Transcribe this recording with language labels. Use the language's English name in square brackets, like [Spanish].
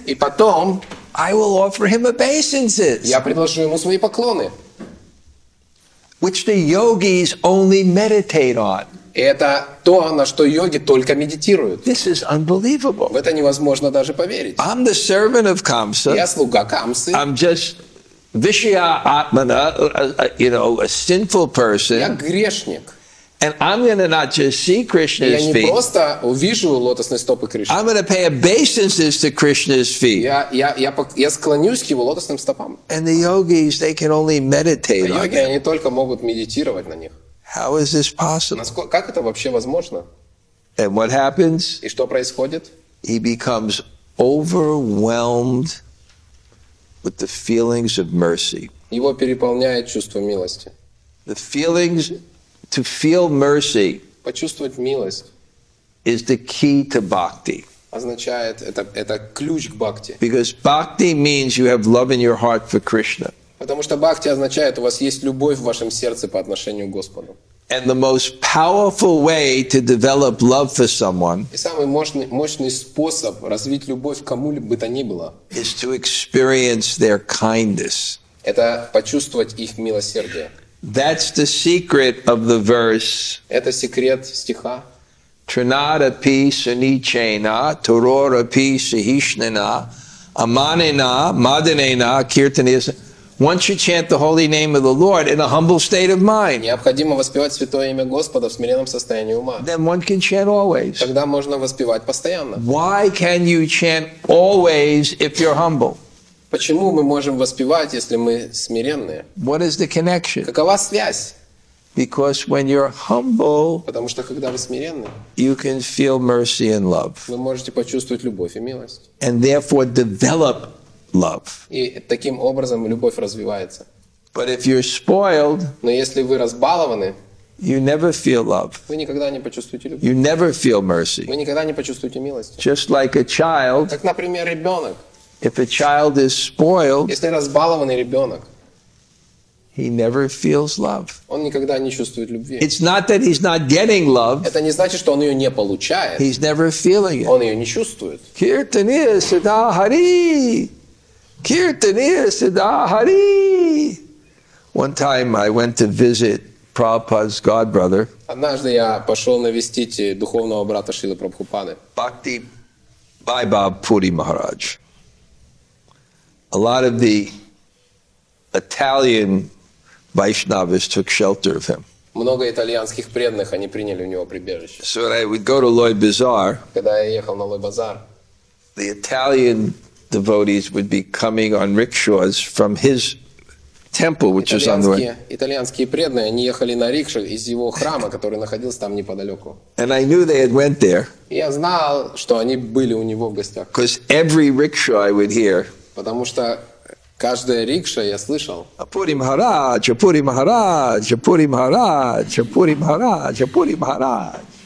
[Russian] и потом [English] I will offer him obeisances. [Russian] Я предложу ему свои поклоны. [English] Which the yogis only meditate on. [Russian] Это то, на что йоги только медитируют. [English] This is unbelievable. [Russian] В это невозможно даже поверить. [English] I'm the servant of Kamsa. [Russian] Я слуга Камсы. [English] I'm just [Sanskrit] vishya atmana, [English] you know, a sinful person. [Russian] Я грешник. [English] And I'm going to not just see Krishna's feet. [Russian] Я не просто увижу лотосные стопы Кришны. [English] I'm going to pay obeisances to Krishna's feet. [Russian] Я склонюсь к его лотосным стопам. [English] And the yogis, they can only meditate on. [Russian] Йоги, они только могут медитировать на них. [English] How is this possible? [Russian] Как это вообще возможно? [English] And what happens? [Russian] И что происходит? [English] He becomes overwhelmed with the feelings of mercy. [Russian] Его переполняет чувство милости. [English] The feelings to feel mercy. [Russian] Почувствовать милость. [English] Is the key to bhakti. [Russian] Означает это ключ к бхакти. [English] Because bhakti means you have love in your heart for Krishna. [Russian] Потому что бхакти означает, у вас есть любовь в вашем сердце по отношению к Господу. [English] And the most powerful way to develop love for someone. [Russian] И самый мощный способ развить любовь к кому-либо бы то ни было. [English] Is to experience their kindness. [Russian] Это почувствовать их милосердие. [English] That's the secret of the verse. [Russian] Это секрет стиха. [Sanskrit] Trinadapi sunichena, tororapi sahishnana, amanena, madanena, kirtanisa. [English] Once you chant the holy name of the Lord in a humble state of mind, [Russian] необходимо воспевать святое имя Господа в смиренном состоянии ума. [English] Then one can chant always. [Russian] Тогда можно воспевать постоянно. [English] Why can you chant always if you're humble? [Russian] Почему мы можем воспевать, если мы смиренные? [English] What is the connection? [Russian] Какова связь? [English] Because when you're humble, [Russian] потому что когда вы смиренны, [English] you can feel mercy and love. [Russian] Вы можете почувствовать любовь и милость. [English] And therefore develop love. [Russian] И таким образом любовь развивается. [English] But if you're spoiled, [Russian] но если вы разбалованы, [English] you never feel love. [Russian] Вы никогда не почувствуете любовь. [English] You never feel mercy. [Russian] Вы никогда не почувствуете милость. [English] Just like a child. [Russian] Как, например, ребенок. [English] If a child is spoiled, [Russian] если разбалованный ребенок, [English] he never feels love. [Russian] Он никогда не чувствует любви. [English] It's not that he's not getting love. [Russian] Это не значит, что он ее не получает. [English] He's never feeling it. [Russian] Он ее не чувствует. [Sanskrit] Киртания сада хари. Киртания сада хари. [English] One time I went to visit Prabhupada's godbrother. [Russian] Однажды я пошел навестить духовного брата Шрилы Прабхупады. Бхакти Байбаб Пури Махарадж. [English] A lot of the Italian Vaishnavas took shelter of him. [Russian] Много итальянских преданных они приняли у него прибежище. [English] So when I would go to Lloyd Bazaar, [Russian] когда я ехал на Лой Базар, [English] the Italian devotees would be coming on rickshaws from his temple, which was on the way. [Russian] Итальянские преданные они ехали на рикше из его храма, который находился там неподалеку. [English] And I knew they had went there. [Russian] Я знал, что они были у него в гостях. [English] Because every rickshaw I would hear. [Russian] Потому что каждая рикша я слышал. Апури Махарадж, Апури Махарадж, Апури Махарадж, Апури Махарадж, Апури Махарадж.